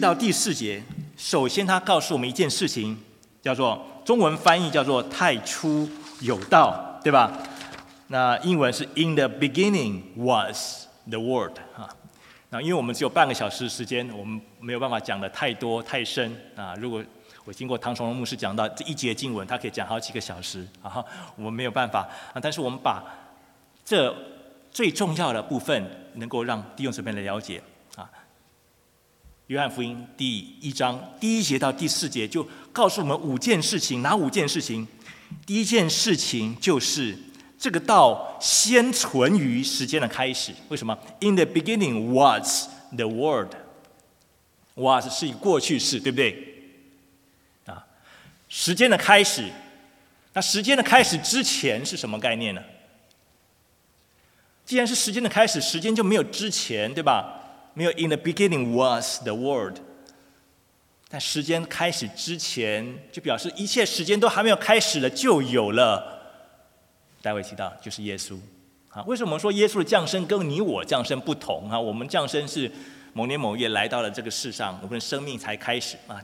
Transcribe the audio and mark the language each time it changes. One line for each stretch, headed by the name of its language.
Chinese: 到第四节，首先他告诉我们一件事情，叫做中文翻译叫做太初有道，对吧？那英文是
English: In the beginning was the word。
Chinese: 那因为我们只有半个小时时间，我们没有办法讲的太多太深啊。如果我经过唐崇荣牧师讲到这一节经文，他可以讲好几个小时啊，我们没有办法啊。但是我们把这最重要的部分能够让弟兄姊妹来了解啊。约翰福音第一章第一节到第四节就告诉我们五件事情，哪五件事情？第一件事情就是，这个道先存于时间的开始。为什么
English: ？In the beginning was the word.
Chinese: Was 是以过去式，对不对？啊，时间的开始。那时间的开始之前是什么概念呢？既然是时间的开始，时间就没有之前，对吧？没有
English: In the beginning was the word.
Chinese: 但时间开始之前，就表示一切时间都还没有开始了，就有了。待会提到就是耶稣，啊，为什么说耶稣的降生跟你我降生不同啊？我们降生是某年某月来到了这个世上，我们的生命才开始啊。